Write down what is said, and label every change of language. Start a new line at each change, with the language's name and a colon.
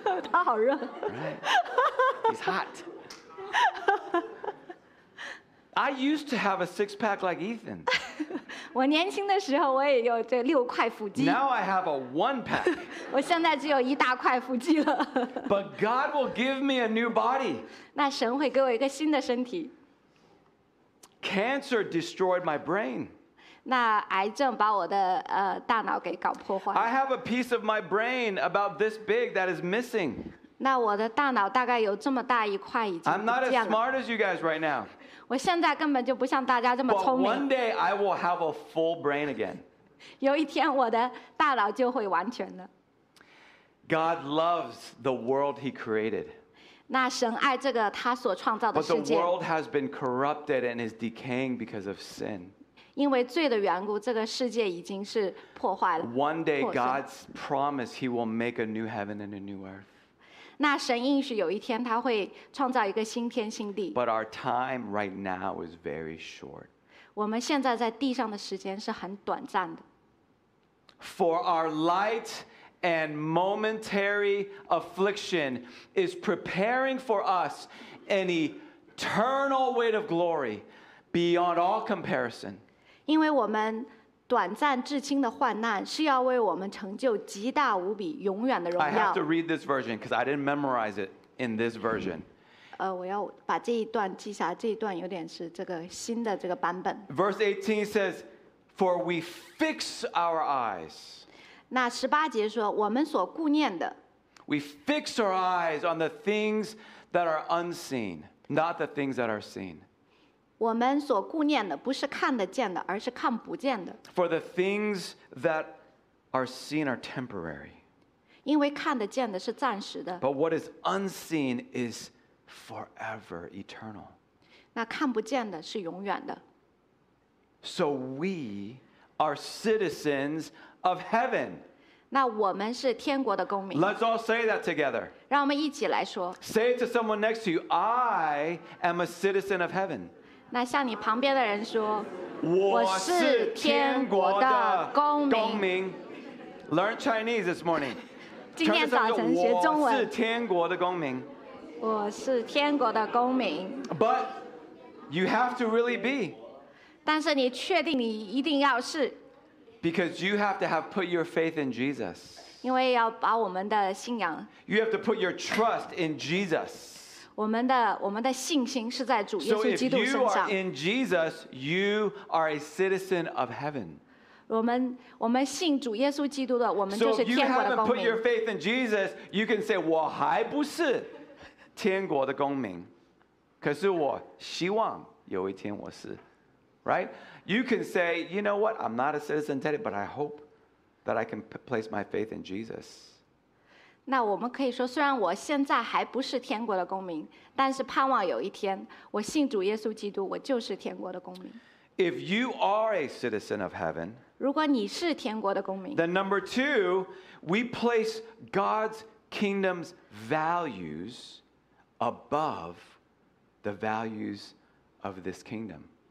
Chinese: 他好热。
English: He's hot. I used to have a six-pack like Ethan.
Chinese: 我年轻的时候我也有这六块腹肌。
English: Now I have a one-pack.
Chinese: 我现在只有一大块腹肌了。
English: But God will give me a new body.
Chinese: 那神会给我一个新的身体。
English: Cancer destroyed my brain.
Chinese: 那癌症把我的大脑给搞破坏了。
English: I have a piece of my brain about this big that is missing.
Chinese: 那我的大脑大概有这么大一块已经不见了。
English: I'm not as smart as you guys right now.
Chinese: 我现在根本就不像大家这么聪明。
English: But one day I will have a full brain again.
Chinese: 有一天我的大脑就会完全的。
English: God loves the world he created.
Chinese: 那神爱这个他所创造的世界。
English: But the world has been corrupted and is decaying because of sin.
Chinese: 因为罪的缘故，这个世界已经是破坏了。
English: One day, God's promise, He will make a new heaven and a new earth.
Chinese: 那神应许有一天他会创造一个新天新地。
English: But our time right now is very short.
Chinese: 我们现在在地上的时间是很短暂的。
English: For our light and momentary affliction is preparing for us an eternal weight of glory beyond all comparison.
Chinese: 因为我们短暂至轻的患难是要为我们成就极大无比永远的荣耀。
English: I have to read this version because I didn't memorize it in this version.
Chinese: 我要把这一段记下，这一段有点是这个新的这个版本。
English: Verse 18 says, "For we fix our eyes."
Chinese: 那十八节说，我们所顾念的。
English: We fix our eyes on the things that are unseen, not the things that are seen.
Chinese: 我们所顾念的不是看得见的，而是看不见的。
English: For the things that are seen are temporary.
Chinese: 因为看得见的是暂时的。
English: But what is unseen is forever eternal.
Chinese: 那看不见的是永远的。
English: So we are citizens of heaven.
Chinese: 那我们是天国的公民。
English: Let's all say that together.
Chinese: 让我们一起来说。
English: Say it to someone next to you, I am a citizen of heaven.
Chinese: 那向你旁边的人说，我是天国的公民。
English: Learn Chinese this morning.
Chinese: 今天早晨学中文。我是天国的公民。我是天国的公民。
English: But you have to really be.
Chinese: 但是你确定你一定要是。
English: Because you have to have put your faith in Jesus.
Chinese: 因为要把我们的信仰。
English: You have to put your trust in Jesus.
Chinese: 我们的信心是在主耶稣基督身上。
English: So if you are in Jesus, you are a citizen of heaven.
Chinese: 我们信主耶稣基督的，我们就是天国的公民。
English: So if you haven't put your faith in Jesus, you can say
Chinese: 我还不是天国的公民，可是我希望有一天我是
English: ，right? You can say, you know what? I'm not a citizen today, but I hope that I can place my faith in Jesus.
Chinese: 那我们可以说，虽然我现在还不是天国的公民，但是盼望有一天，我信主耶稣基督，我就是天国的公民。
English: If you are a citizen of heaven,
Chinese: 如果你是天国的公民
English: then number two, we place God's kingdom's values above the values of this kingdom.